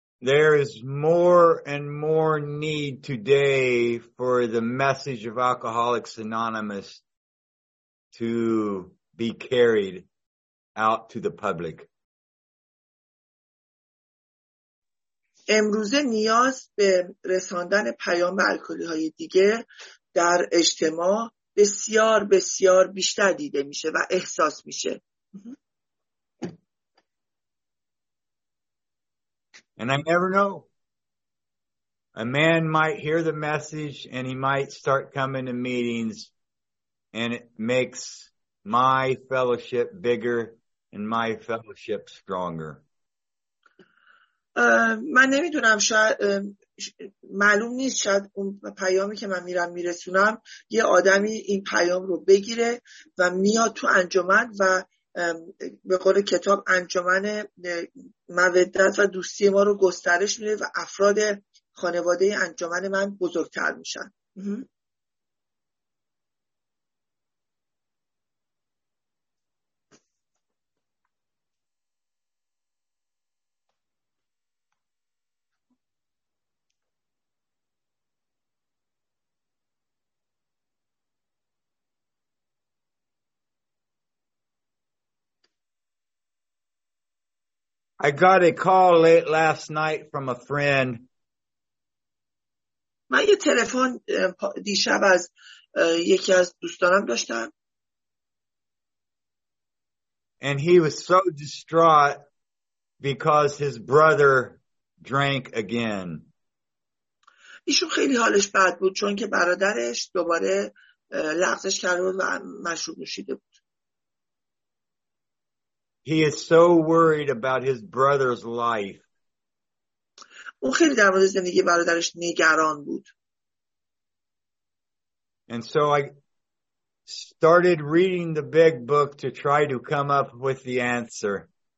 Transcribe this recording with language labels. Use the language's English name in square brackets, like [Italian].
[English] There is more and more need today for the message of Alcoholics Anonymous to be carried out to the public. [Persian] امروز نیاز به رساندن پیام الکلی‌های دیگه در اجتماع بسیار بسیار بیشتر دیده میشه و احساس میشه. [English] And I never know. A man might hear the message and he might start coming to meetings and it makes my fellowship bigger and my fellowship stronger. [Persian] من نمیدونم، شاید معلوم نیست، شاید اون پیامی که من میرسونم یه آدمی این پیام رو بگیره و میاد تو انجمن و به قول کتاب انجمن مودت و دوستی ما رو گسترش میده و افراد خانواده انجمن من بزرگتر میشن. [English] I got a call late last night from a friend. [Persian] من یه تلفن دیشب از یکی از دوستانم داشتم. [English] And he was so distraught because his brother drank again. [Persian] ایشون خیلی حالش بد بود چون که برادرش دوباره لغزش کرده بود و مشروب نوشیده بود. [English] He is so worried about his brother's life. [Persian] اون خیلی در مورد زندگی برادرش نگران بود. [English] And so I started reading the big book to try to come up with the answer.